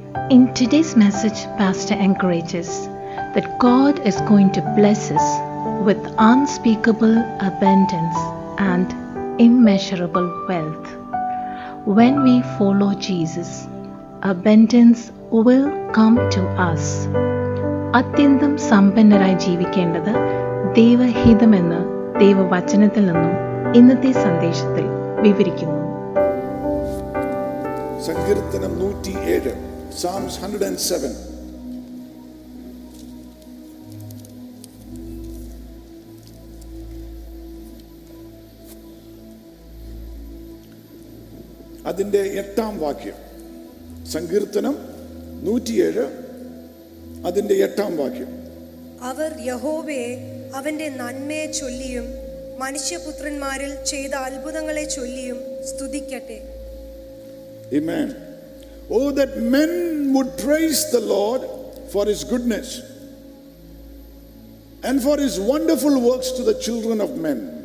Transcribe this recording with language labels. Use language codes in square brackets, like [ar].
[en] In today's message, Pastor encourages that God is going to bless us with unspeakable abundance and immeasurable wealth. When we follow Jesus, abundance will come to us. [ml] അത്യന്തം സമ്പന്നരായി ജീവിക്കേണ്ടത് ദൈവഹിതമെന്ന് ദൈവവചനത്തിൽ നിന്നും ഇന്നത്തെ സന്ദേശത്തിൽ വിവരിക്കുന്നു. സങ്കീർത്തനം 107, [en] Psalms 107. [ml] അതിൻ്റെ 8-ാം വാക്യം, സങ്കീർത്തനം 107 അതിൻ്റെ 8-ാം വാക്യം. അവർ യഹോവയെ അവൻ്റെ നന്മയെ ചൊല്ലിയും മനുഷ്യപുത്രന്മാരിൽ ചെയ്ത അത്ഭുതങ്ങളെ ചൊല്ലിയും സ്തുതിക്കട്ടെ. ആമേൻ. [en] Oh, that men would praise the Lord for his goodness and for his wonderful works to the children of men.